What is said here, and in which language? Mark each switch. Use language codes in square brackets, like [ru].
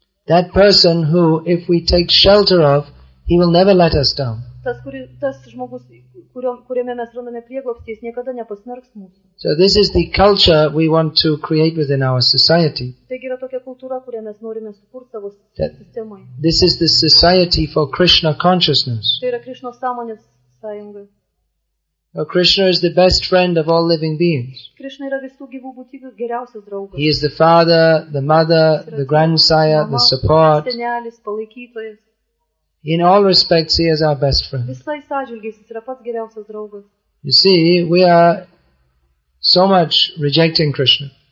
[en] That person who, if we take shelter of, he will never let us down. [lt] Tas, tas žmogus, kuriame mes randame prieglobstį, jis niekada nepasmerks mūsų. [en] So this is the culture we want to create within our society. [lt] Taigi yra tokia kultūra, kurią mes norime sukurti savo sistemoje. [en] This is the society for Krishna consciousness. [lt] Tai yra Krishna sąmonės sąjunga. [en] Now Krishna is the best friend of all living beings. [lt] Krishna yra visų gyvų būtybių geriausias draugas. [en] He is the father, the mother, the grandsire, the support. [lt] Senelis, palaikytojas. [en] In all respects, he is our best friend. You see, we are so much rejecting Krishna.